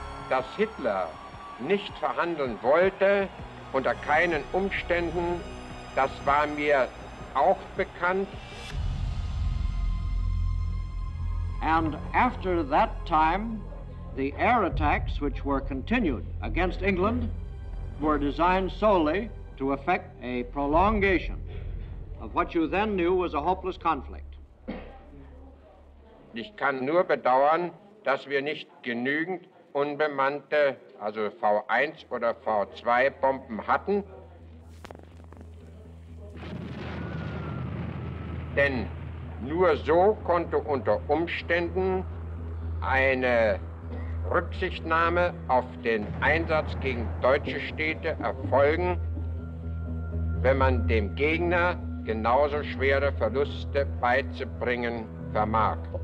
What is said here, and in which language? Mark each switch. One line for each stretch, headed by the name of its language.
German: Dass Hitler nicht verhandeln wollte, unter keinen Umständen, das war mir auch bekannt.
English: And after that time, the air attacks, which were continued against England, were designed solely to effect a prolongation of what you then knew was a hopeless conflict.
German: Ich kann nur bedauern, dass wir nicht genügend unbemannte, also V1 oder V2 Bomben hatten. Denn nur so konnte unter Umständen eine Rücksichtnahme auf den Einsatz gegen deutsche Städte erfolgen, wenn man dem Gegner genauso schwere Verluste beizubringen vermag.